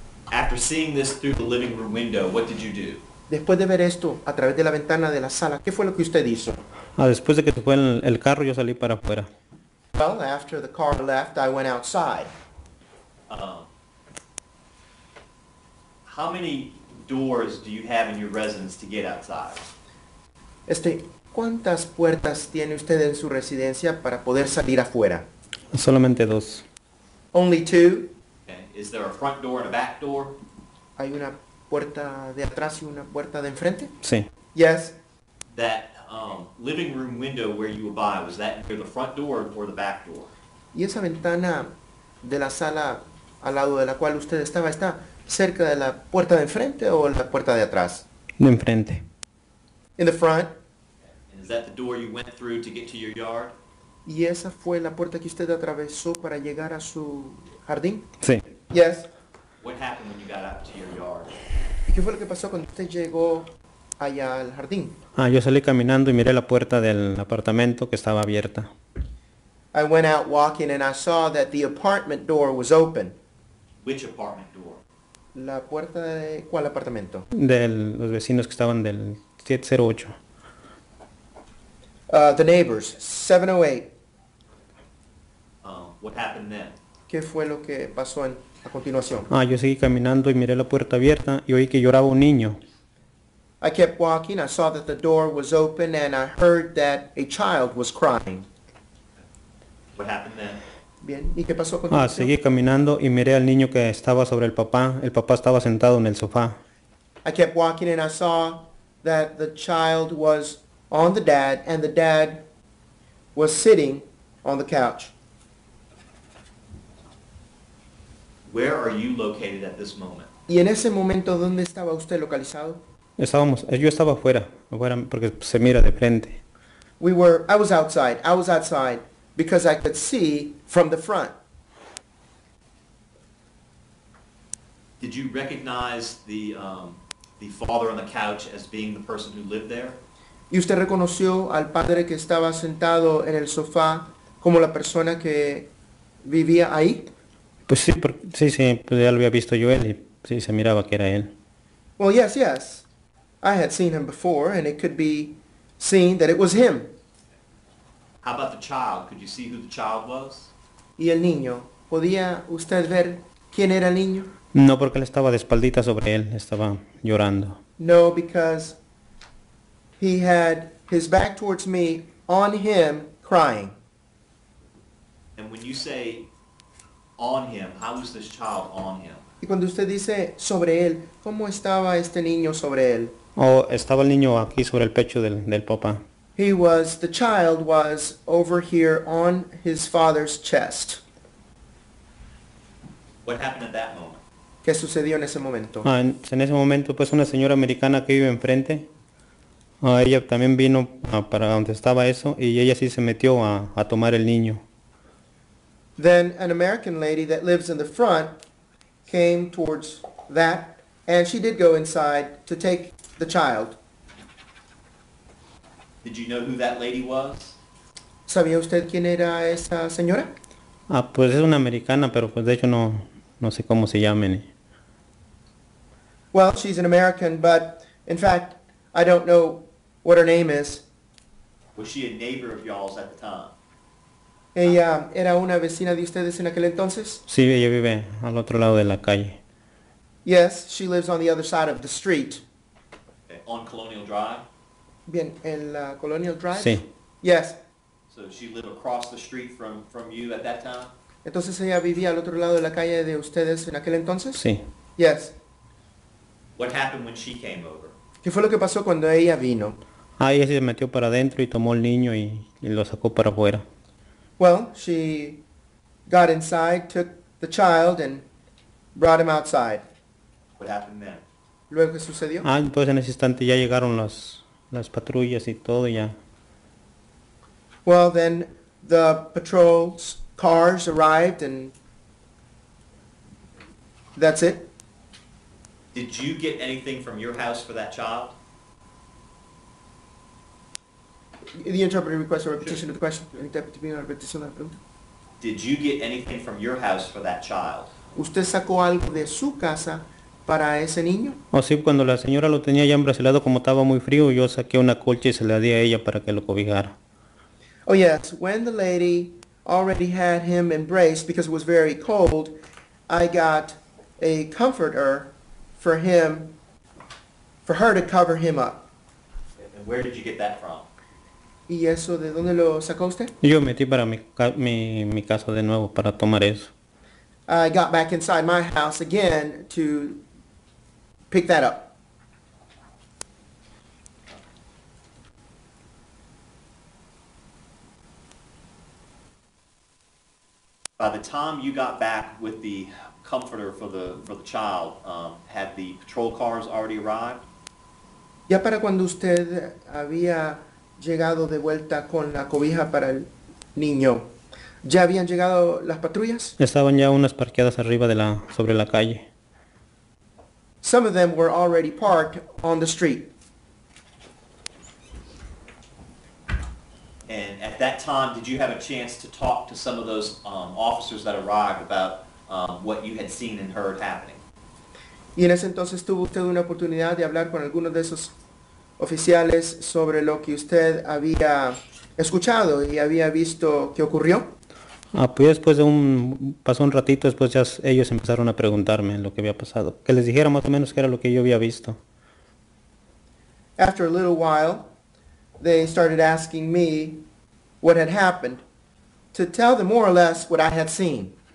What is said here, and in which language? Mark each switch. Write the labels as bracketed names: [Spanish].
[English] After seeing this through the living room window, what did you do? [Spanish] Después de ver esto a través de la ventana de la sala, ¿qué fue lo que usted hizo? Después de que se fue el carro, yo salí para afuera. [English] Well, after the car left, I went outside. How many doors do you have in your residence to get outside? [Spanish] ¿Cuántas puertas tiene usted en su residencia para poder salir afuera? Solamente dos. [English] Only two. Okay. Is there a front door and a back door? [Spanish] ¿Hay una puerta de atrás y una puerta de enfrente? Sí. [English] Yes. That living room window where you abide, was that near the front door or the back door? [Spanish] ¿Y esa ventana de la sala al lado de la cual usted estaba, está cerca de la puerta de enfrente o la puerta de atrás? De enfrente. [English] In the front. Is that the door you went through to get to your yard? [Spanish] ¿Y esa fue la puerta que usted atravesó para llegar a su jardín? Sí. [English] Yes. What happened when you got out to your yard? [Spanish] ¿Y qué fue lo que pasó cuando usted llegó allá al jardín? Ah, yo salí caminando y miré la puerta del apartamento que estaba abierta. [English] I went out walking and I saw that the apartment door was open. Which apartment door? [Spanish] ¿La puerta de cuál apartamento? De los vecinos que estaban del 708. [English] The neighbors, 708. What happened then? [Spanish] ¿Qué fue lo que pasó a continuación? Ah, yo seguí caminando y miré la puerta abierta y oí que lloraba un niño. [English] I kept walking, I saw that the door was open and I heard that a child was crying. What happened then? [Spanish] Bien, ¿y qué pasó a continuación? Ah, seguí caminando y miré al niño que estaba sobre el papá estaba sentado en el sofá. [English] I kept walking and I saw that the child was on the dad, and the dad was sitting on the couch. Where are you located at this moment? [Spanish] ¿Y en ese momento dónde estaba usted localizado? Yo estaba afuera, porque se mira de frente. [English] I was outside, because I could see from the front. Did you recognize the father on the couch as being the person who lived there? [Spanish] ¿Y usted reconoció al padre que estaba sentado en el sofá como la persona que vivía ahí? Pues sí, ya lo había visto yo él y sí, se miraba que era él. [English] Well, yes. I had seen him before and it could be seen that it was him. How about the child? Could you see who the child was? [Spanish] ¿Y el niño? ¿Podía usted ver quién era el niño? No, porque él estaba de espaldita sobre él, estaba llorando. [English] No, because he had his back towards me, on him, crying. And when you say on him, how was this child on him? [Spanish] Y cuando usted dice sobre él, ¿cómo estaba este niño sobre él? Estaba el niño aquí sobre el pecho del papá. [English] The child was over here on his father's chest. What happened at that moment? [Spanish] ¿Qué sucedió en ese momento? En ese momento, pues una señora americana que vive enfrente. Ella también vino para donde estaba eso y ella sí se metió a tomar el niño. [English] Then an American lady that lives in the front came towards that and she did go inside to take the child. Did you know who that lady was? [Spanish] ¿Sabía usted quién era esa señora? Pues es una americana, pero pues de hecho no sé cómo se llame. [English] Well, she's an American, but in fact, I don't know what her name is. Was she a neighbor of y'all's at the time? [Spanish] ¿Ella era una vecina de ustedes en aquel entonces? Sí, ella vive al otro lado de la calle. [English] Yes, she lives on the other side of the street. Okay, on Colonial Drive? [Spanish] Bien, en la Colonial Drive? Sí. [English] Yes. So she lived across the street from you at that time? [Spanish] ¿Entonces ella vivía al otro lado de la calle de ustedes en aquel entonces? Sí. [English] Yes. What happened when she came over? [Spanish] ¿Qué fue lo que pasó cuando ella vino? Ella se metió para adentro y tomó el niño y lo sacó para afuera. [English] Well, she got inside, took the child, and brought him outside. What happened then? [Spanish] ¿Luego qué sucedió? Pues en ese instante ya llegaron las patrullas y todo ya. [English] Well, then the patrol's cars arrived, and that's it. Did you get anything from your house for that child? The interpreter requests a repetition of the question. Interpreter, please repetition of the question. Did you get anything from your house for that child? [Spanish] ¿Usted sacó algo de su casa para ese niño? Sí, cuando la señora lo tenía ya embracelado, como estaba muy frío, yo saqué una colcha y se la di a ella para que lo cobijara. [English] Oh, yes. When the lady already had him embraced because it was very cold. I got a comforter for him, for her to cover him up. And where did you get that from? [Spanish] ¿Y eso de dónde lo sacó usted? Yo metí para mi casa de nuevo para tomar eso. [English] I got back inside my house again to pick that up. By the time you got back with the comforter for the child, had the patrol cars already arrived? [Spanish] Ya para cuando usted había llegado de vuelta con la cobija para el niño, ¿ya habían llegado las patrullas? Estaban ya unas parqueadas arriba de la sobre la calle. [English] Some of them were already parked on the street. And at that time, did you have a chance to talk to some of those officers that arrived about what you had seen and heard happening? [Spanish] ¿Y en ese entonces tuvo usted una oportunidad de hablar con alguno de esos oficiales sobre lo que usted había escuchado y había visto que ocurrió? Ah, pues después de pasó un ratito, después ya ellos empezaron a preguntarme lo que había pasado. Que les dijera más o menos qué era lo que yo había visto. [English] After a little while, they started asking me what had happened, to tell them more or less what I had seen.